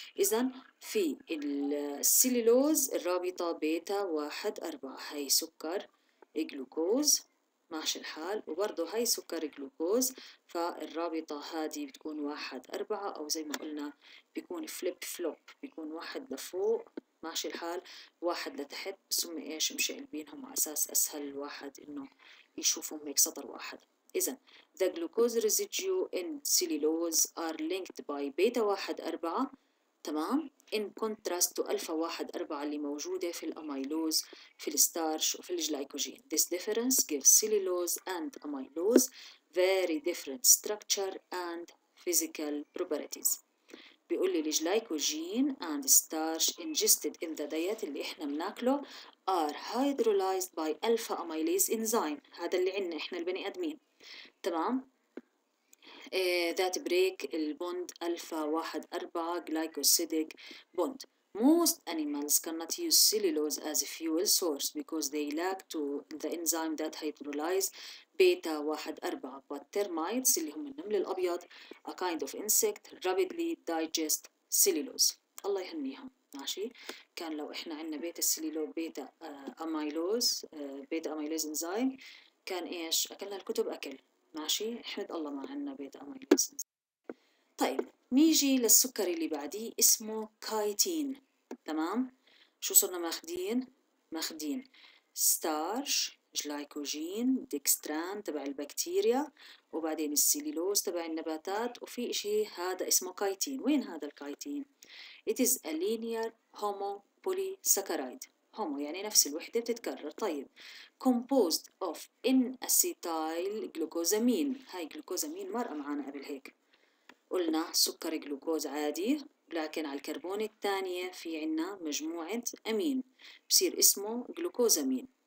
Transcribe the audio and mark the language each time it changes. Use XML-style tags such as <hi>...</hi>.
<ar>إذا في السيليلوز الرابطة بيتا واحد أربعة، هاي سكر الجلوكوز، ماشي الحال، وبرضو هاي سكر جلوكوز، فالرابطة هذه بتكون واحد أربعة، أو زي ما قلنا بيكون فليب فلوب، بيكون واحد لفوق، ماشي الحال، واحد لتحت، ثم إيش مشعل بينهم على أساس أسهل الواحد إنه يشوفهم هيك سطر واحد. إذا</ar> <en>the glucose residue in cellulose are linked by beta</en> <ar>واحد أربعة، تمام،</ar> <en>in contrast to alpha 1 4</en> <ar>اللي موجوده في الاميلوز، في الستارش وفي الجلايكوجين.</ar> <en>This difference gives cellulose and amylose very different structure and physical properties.</en> <ar>بيقول لي الجلايكوجين</ar> <en>and starch ingested in the diet</en> <ar>اللي احنا بناكله</ar> <en>are hydrolyzed by alpha amylase enzyme.</en> <ar>هذا اللي عندنا احنا البني ادمين،</ar> <en>تمام، that break the bond alpha 1,4 glycosidic bond. Most animals cannot use cellulose as a fuel source because they lack to the enzyme that hydrolyze beta 1,4. But termites,</en> <ar>اللي هم النمل الأبيض,</ar> <en>a kind of insect, rapidly digest cellulose.</en> <ar>الله يهنيهم. ماشي، كان لو إحنا عندنا بيتا سيليلو بيتا أميلوز بيتا أميلوز إنزيم، كان إيش أكلنا الكتب أكل، ماشي، احمد الله ما عندنا بيتا أميلوز. طيب نيجي للسكر اللي بعديه اسمه كايتين، تمام. شو صرنا ماخدين؟ ماخدين ستارش جلايكوجين ديكستران تبع البكتيريا، وبعدين السليلوز تبع النباتات، وفي شيء هذا اسمه كايتين. وين هذا الكايتين؟</ar> <en>It is a linear homopolysaccharide.</en> <ar>هومو يعني نفس الوحدة بتتكرر. طيب</ar> <en>composed of N-acetyl glucosamine،</en> <ar>هاي glucosamine مرأة معانا قبل هيك، قلنا سكر جلوكوز عادي، لكن على الكربون الثانية في عنا مجموعة أمين بصير اسمه جلوكوزامين.</ar>